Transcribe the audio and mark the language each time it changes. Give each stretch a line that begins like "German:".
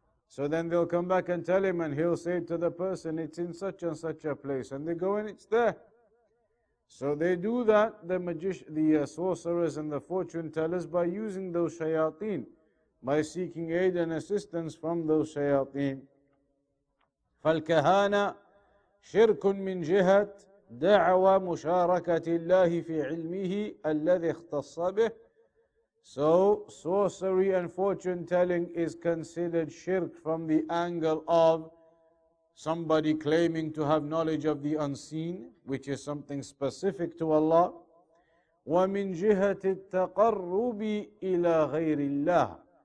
English: So then they'll come back and tell him, and he'll say to the person, it's in such and such a place. And they go and it's there. So they do that, the sorcerers and the fortune tellers, by using those shayateen, by seeking aid and assistance from those shayateen.
Arabic: فالكهانة شرك من جهة دعوة مشاركة الله في علمه الذي اختص به.
English: So sorcery and fortune telling is considered shirk from the angle of somebody claiming to have knowledge of the unseen, which is something specific to Allah.
Arabic: وَمِنْ جِهَةِ التَّقَرُّبِ إِلَىٰ غَيْرِ اللَّهِ.